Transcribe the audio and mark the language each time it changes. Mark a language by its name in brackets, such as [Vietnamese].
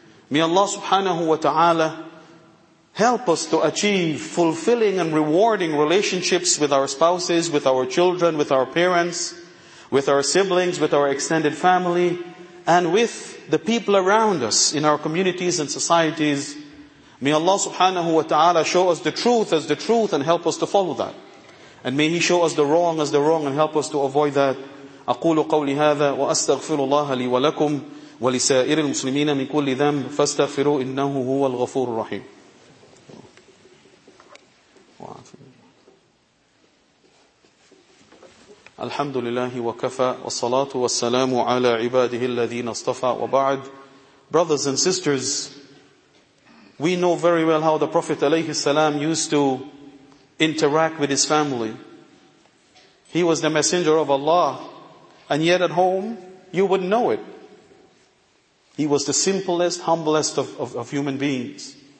[English] May Allah subhanahu wa ta'ala help us to achieve fulfilling and rewarding relationships with our spouses, with our children, with our parents, with our siblings, with our extended family, and with the people around us in our communities and societies. May Allah subhanahu wa ta'ala show us the truth as the truth and help us to follow that. And may He show us the wrong as the wrong and help us to avoid that. [Arabic] أقول قولي هذا وأستغفر الله لي ولكم ولسائر المسلمين من كل ذنب فاستغفروا إنه هو الغفور الرحيم. الحمد لله وكفى والصلاة والسلام على عباده الذين اصطفى وبعد. [English] Brothers and sisters, we know very well how the Prophet alayhi salam used to interact with his family. He was the messenger of Allah, and yet at home you wouldn't know it. He was the simplest, humblest of human beings.